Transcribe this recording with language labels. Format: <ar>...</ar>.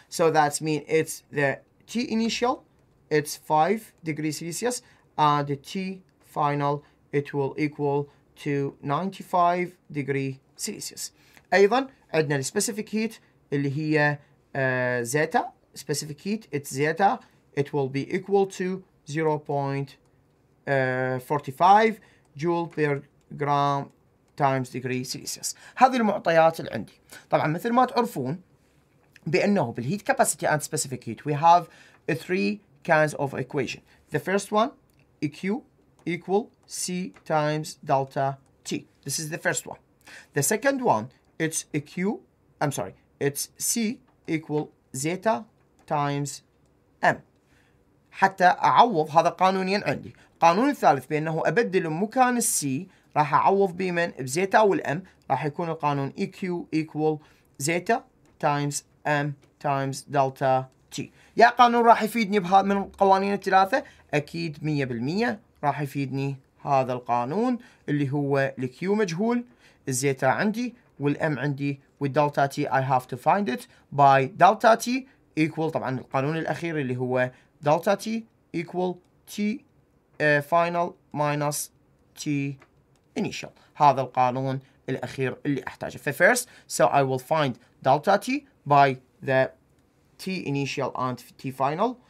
<en>So that means it's the T initial, it's 5 degrees Celsius, and the T final it will equal to 95 degrees Celsius.</en> <ar>أيضا عندنا specific heat اللي هي zeta.</ar> <en>Specific heat it's zeta. It will be equal to 0.45 joule per gram times degree Celsius.</en> <ar>هذه المعطيات اللي عندي. طبعا مثل ما تعرفون بأنه بال</ar> <en>heat capacity and specific heat we have three kinds of equation. The first one, EQ equal C times delta T. This is the first one. The second one, it's EQ, I'm sorry, it's C equal zeta times M.</en> <ar>حتى أعوض هذا قانونياً عندي. قانون الثالث بأنه أبدل مكان C راح أعوض بمن بزيتا والM، راح يكون القانون</ar> <en>EQ equal zeta times M times delta T.</en> <ar>يا قانون راح يفيدني بهذا من القوانين الثلاثة؟ أكيد 100% راح يفيدني هذا القانون اللي هو الQ مجهول، الزيتا عندي والM عندي، والدلتا T</ar> <en>I have to find it by delta T equal</en> <ar>طبعا القانون الأخير اللي هو دلتا T</ar> <en>equal T final minus T initial.</en> <ar>هذا القانون الأخير اللي أحتاجه.</ar> <en>First, so I will find delta T by the T initial and T final.</en>